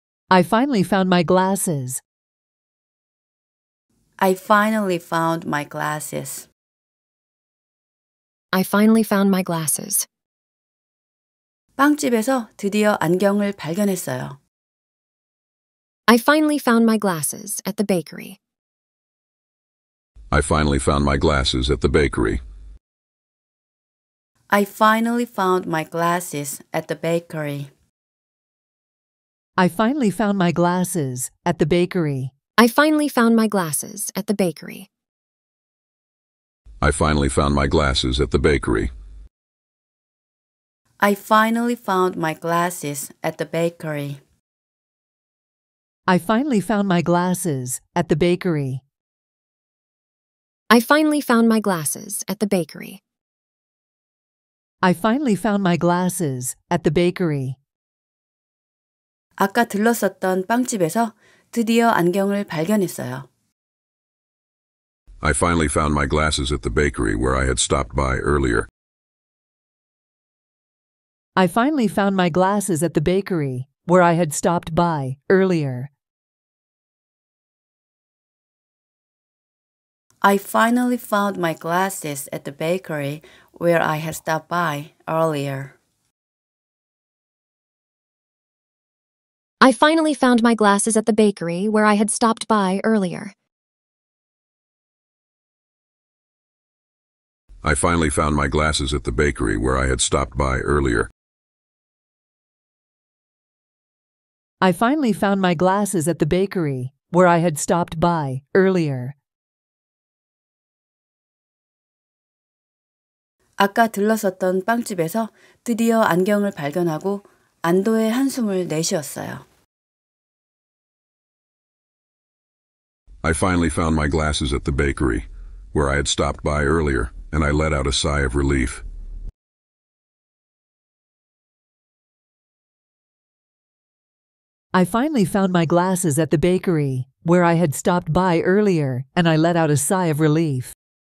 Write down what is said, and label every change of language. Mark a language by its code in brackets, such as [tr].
[en] I finally found my glasses. I finally found my glasses. I finally found my glasses. [ko] 빵집에서 드디어 안경을 발견했어요. [en] I finally found my glasses at the bakery. I finally found my glasses at the bakery. I finally found my glasses at the bakery. I finally found my glasses at the bakery. I finally found my glasses at the bakery. I finally found my glasses at the bakery. I finally found my glasses at the bakery. I finally found my glasses at the bakery. I finally found my glasses at the bakery. I finally found my glasses at the bakery. [ko] 아까 들렀었던 빵집에서 드디어 안경을 발견했어요. [en] I finally found my glasses at the bakery where I had stopped by earlier. I finally found my glasses at the bakery where I had stopped by earlier. I finally found my glasses at the bakery where I had stopped by earlier. I finally found my glasses at the bakery where I had stopped by earlier. I finally found my glasses at the bakery where I had stopped by earlier. I finally found my glasses at the bakery where I had stopped by earlier. [ko] 아까 들렀었던 빵집에서 드디어 안경을 발견하고 안도의 한숨을 내쉬었어요. [en] I finally found my glasses at the bakery, where I had stopped by earlier, and I let out a sigh of relief. I finally found my glasses at the bakery, where I had stopped by earlier, and I let out a sigh of relief.